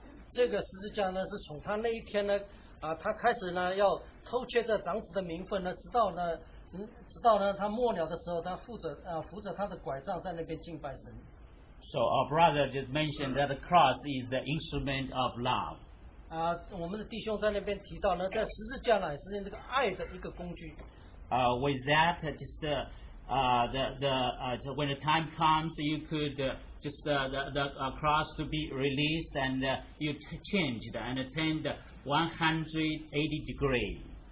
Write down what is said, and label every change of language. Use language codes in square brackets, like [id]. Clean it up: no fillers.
[zh] 这个十字架呢，是从他那一天呢。他开始呢，要偷窃这长子的名分呢，直到呢，直到呢，他末了的时候，他扶着他的拐杖在那边敬拜神。 [en] So our brother just mentioned that the cross is the instrument of love. [zh] 我们的弟兄在那边提到呢，在十字架呢，是那个爱的一个工具。 [en] With that, just so when the time comes, you could just the cross to be released, and you changed and turned 180 degrees.